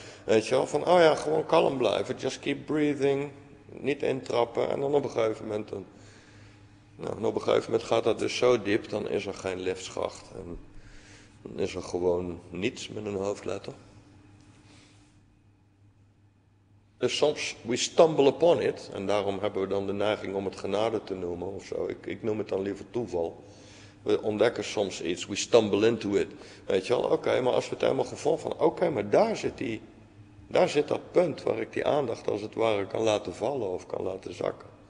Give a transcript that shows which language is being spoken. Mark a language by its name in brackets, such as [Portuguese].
[Dutch] Weet je wel, van, oh ja, gewoon kalm blijven, [English] just keep breathing, [Dutch] niet intrappen. En dan op een gegeven moment dan. Nou, en op een gegeven moment gaat dat dus zo diep, dan is er geen liftschacht. En dan is er gewoon niets met een hoofdletter. Dus soms, [English] we stumble upon it. [Dutch] En daarom hebben we dan de neiging om het genade te noemen of zo. Ik noem het dan liever toeval. We ontdekken soms iets, [English] we stumble into it. [Dutch] Weet je wel, oké, okay, maar als we het helemaal gevonden van, oké, okay, maar daar zit die, daar zit dat punt waar ik die aandacht als het ware kan laten vallen of kan laten zakken.